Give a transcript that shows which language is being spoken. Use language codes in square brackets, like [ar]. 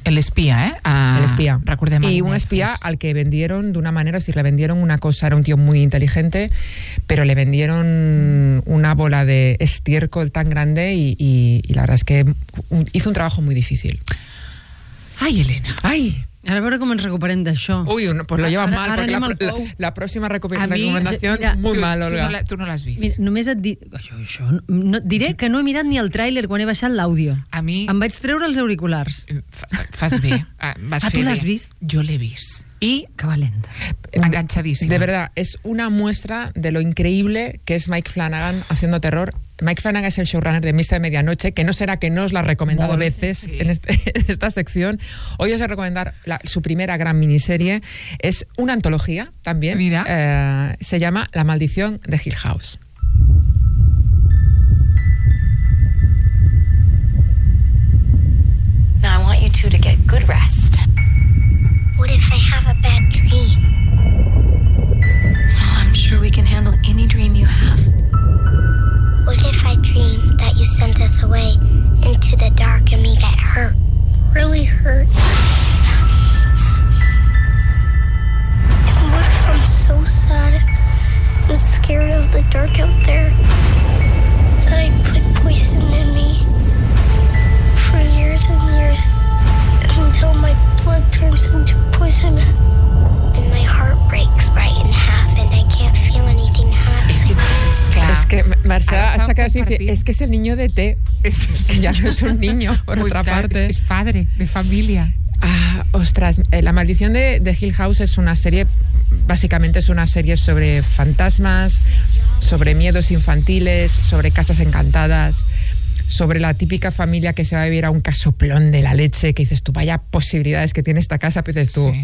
[es] El espía, ¿eh? El espía. Recordemos. Y un espía Netflix. Al que vendieron de una manera, es decir, le vendieron una cosa, era un tío muy inteligente, pero le vendieron una bola de estiércol tan grande y la verdad es que hizo un trabajo muy difícil. ¡Ay, Elena! ¡Ay! [ca] Ara veure com ens recuperem d'això. Ui, [es] no, pues lo lleva mal, [ca] perquè la pròxima recomanació, molt mal, Olga. Tu no l'has vist. Mira, només et dic... Diré que no he mirat ni el tràiler quan he baixat l'àudio. A mi... Em vaig treure els auriculars. Fas bé. Tu l'has vist? Jo l'he vist. I... Que valenta. Enganxadíssima. [es] De verdad, és una muestra de lo increïble que és Mike Flanagan haciendo terror. Mike Flanagan es el showrunner de Misa de Medianoche, que no será que no os la ha recomendado Mol, veces sí. en esta sección. Hoy os voy a recomendar su primera gran miniserie. Es una antología también. Mira. Se llama La maldición de Hill House. [en] Now I want you two to get good rest. What if I have a bad dream? Oh, I'm sure we can handle any dream you have. What if I dream that you sent us away into the dark and we get hurt? Really hurt? And what if I'm so sad and scared of the dark out there that I put poison in me for years and years until my blood turns into poison and my heart breaks right in half and I can't feel anything happen? [es] Es que Marcela ha sacado y dice, es que es el niño de T, que ya no es un niño, por otra parte. Es padre, de familia. Ah, ostras, La maldición de Hill House es una serie, básicamente es una serie sobre fantasmas, sobre miedos infantiles, sobre casas encantadas, sobre la típica familia que se va a vivir a un casoplón de la leche, que dices tú, vaya posibilidades que tiene esta casa, pero dices tú, sí.